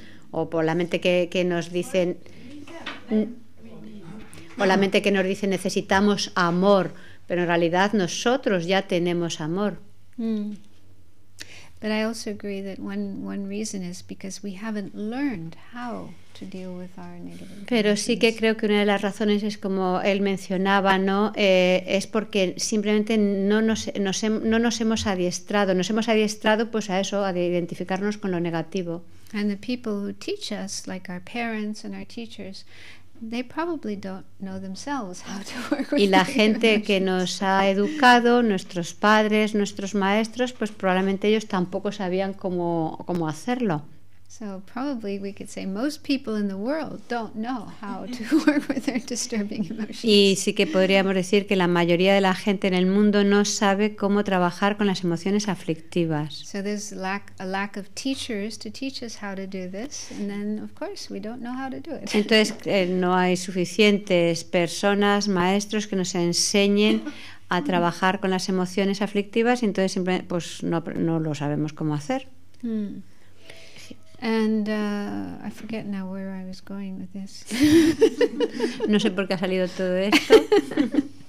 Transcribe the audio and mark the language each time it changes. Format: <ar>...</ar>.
<es>O por la mente que nos dicen o la mente que nos dice necesitamos amor, pero en realidad nosotros ya tenemos amor.</es> <en>But I also agree that one reason is because we haven't learned how to deal with our negative.</en> <es>Pero sí que creo que una de las razones es como él mencionaba, ¿no? Es porque simplemente no nos hemos adiestrado, nos hemos adiestrado pues a eso, a identificarnos con lo negativo.</es> <en>And the people who teach us, like our parents and our teachers, they probably don't know themselves how to work with.</en> <es>Y la gente que nos ha educado, nuestros padres, nuestros maestros, pues probablemente ellos tampoco sabían cómo hacerlo.</es> <en>So probably we could say most people in the world don't know how to work with their disturbing emotions.</en> <es>Y sí que podríamos decir que la mayoría de la gente en el mundo no sabe cómo trabajar con las emociones aflictivas.</es> <en>So there's a lack of teachers to teach us how to do this, and then of course we don't know how to do it.</en> <es>Entonces no hay suficientes personas, maestros que nos enseñen a trabajar con las emociones aflictivas, y entonces simplemente pues no lo sabemos cómo hacer.</es> <en>And I forget now where I was going with this.</en> <es>No sé por qué ha salido todo esto.</es>